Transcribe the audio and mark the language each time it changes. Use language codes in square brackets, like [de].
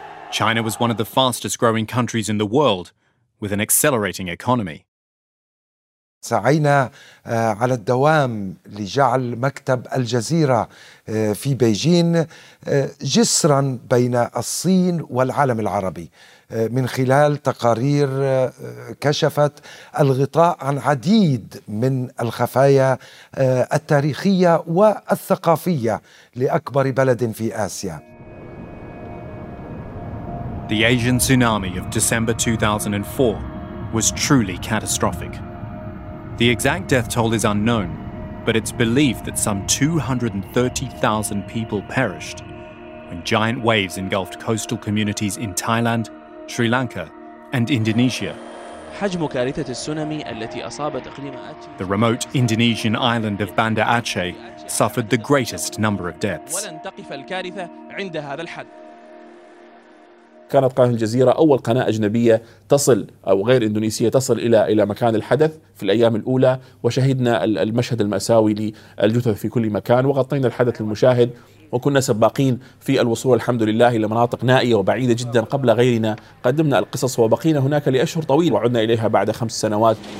[en] China was one of the fastest growing countries in the world with an accelerating economy. [ar] سعينا على الدوام لجعل مكتب الجزيرة في بيجين جسرا بين الصين والعالم العربي من خلال تقارير كشفت الغطاء عن عديد من الخفايا التاريخية والثقافية لأكبر بلد في آسيا. [en] The Asian tsunami of December 2004 was truly catastrophic. The exact death toll is unknown, but it's believed that some 230,000 people perished when giant waves engulfed coastal communities in Thailand, Sri Lanka, and Indonesia. [ar] حجم كارثة السونامي التي أصابت إقليم آتشي. [en] The remote Indonesian island of Banda Aceh suffered the greatest number of deaths. [ar] ولن تقف الكارثة عند هذا الحد. كانت قناة الجزيرة أول قناة أجنبية تصل أو غير إندونيسية تصل إلى مكان الحدث في الأيام الأولى، وشهدنا المشهد المأساوي للجثث في كل مكان، وغطينا الحدث للمشاهد، وكنا سباقين في الوصول الحمد لله إلى مناطق نائية وبعيدة جدا قبل غيرنا، قدمنا القصص وبقينا هناك لأشهر طويلة وعدنا إليها بعد 5 سنوات.